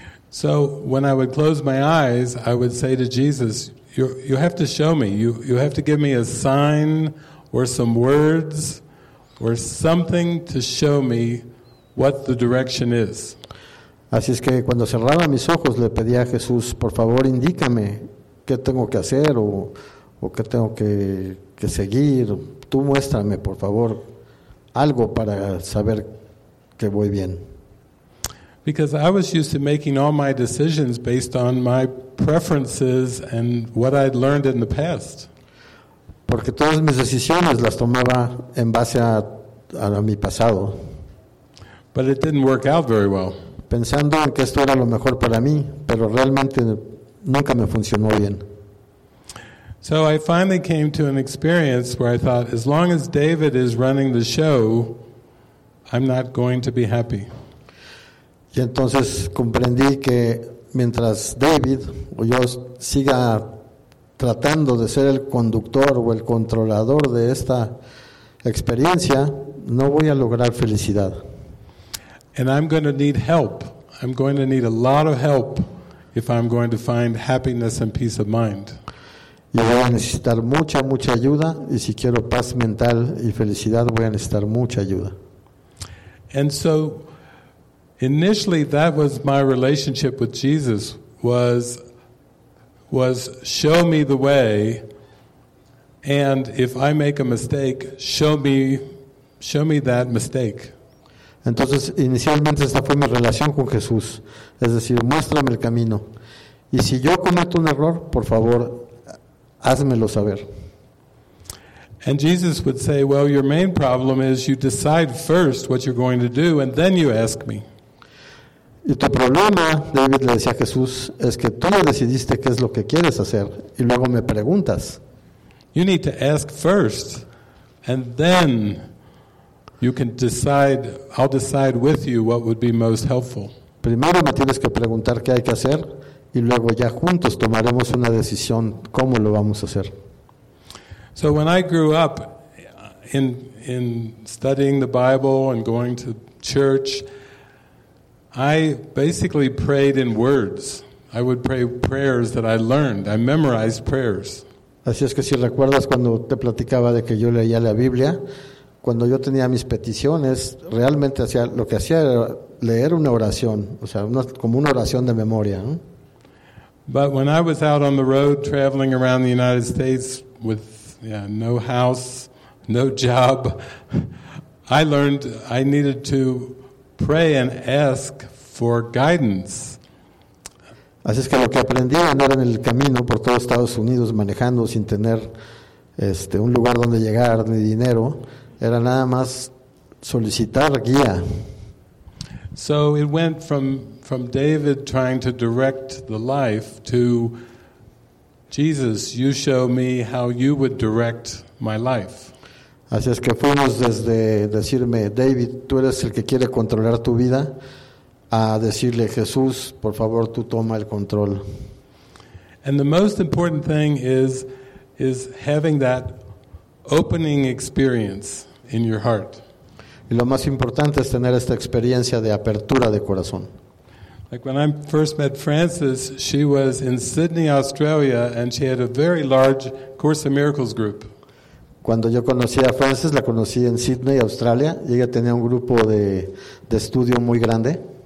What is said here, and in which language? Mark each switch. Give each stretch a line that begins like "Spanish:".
English: So when I would close my eyes, I would say to Jesus, you have to show me, you have to give me a sign or some words or something to show me what the direction is.
Spanish: Así es que cuando cerraba mis ojos le pedía a Jesús, por favor, indícame qué tengo que hacer o qué tengo que seguir. Tú muéstrame, por favor, algo para saber que voy bien.
English: Because I was used to making all my decisions based on my preferences and what I'd learned in the past.
Spanish: Porque todas mis decisiones las tomaba en base a mi pasado.
English: But it didn't work out very well.
Spanish: Pensando en que esto era lo mejor para mí, pero realmente nunca me funcionó bien.
English: So I finally came to an experience where I thought, as long as David is running the show, I'm not going to be happy.
Spanish: Y entonces comprendí que mientras David o yo siga tratando de ser el conductor o el controlador de esta experiencia, no voy a lograr felicidad.
English: And I'm going to need help. I'm going to need a lot of help if I'm going to find happiness and peace of mind.
Spanish: Y voy a necesitar mucha ayuda, y si quiero paz mental y felicidad, voy a necesitar mucha ayuda.
English: And so initially that was my relationship with Jesus, was show me the way, and if I make a mistake, show me that mistake.
Spanish: Entonces, inicialmente esta fue mi relación con Jesús, es decir, muéstrame el camino. Y si yo cometo un error, por favor, házmelo saber.
English: And Jesus would say, well, your main problem is you decide first what you're going to do and then you ask me.
Spanish: Y tu problema, David le decía a Jesús, es que tú decidiste qué es lo que quieres hacer y luego me preguntas.
English: You need to ask first and then you can decide, I'll decide with you what would be most helpful.
Spanish: Primero me tienes que preguntar qué hay que hacer y luego ya juntos tomaremos una decisión cómo lo vamos a hacer.
English: So when I grew up in studying the Bible and going to church, I basically prayed in words. I would pray prayers that I learned. I memorized prayers.
Spanish: Así es que si recuerdas cuando te platicaba de que yo leía la Biblia, cuando yo tenía mis peticiones, realmente hacía, lo que hacía era leer una oración, o sea, como una oración de memoria, ¿no?
English: But when I was out on the road traveling around the United States with no house, no job, I learned I needed to pray and ask for guidance.
Spanish: Así es que lo que aprendí a andar en el camino por todo Estados Unidos manejando sin tener un lugar donde llegar ni dinero era nada más solicitar guía.
English: So it went from David trying to direct the life to Jesus, you show me how you would direct my life.
Spanish: Así es que fuimos desde decirme, David, tú eres el que quiere controlar tu vida, a decirle, Jesús, por favor, tú toma el control.
English: And the most important thing is having that opening experience in your heart.
Spanish: Y lo más importante es tener esta experiencia de apertura de corazón.
English: Like when I first met Frances, she was in Sydney, Australia, and she had a very large Course in Miracles group.
Spanish: Cuando yo conocí a Frances, la conocí en Sydney, Australia, y ella tenía un grupo de estudio muy grande.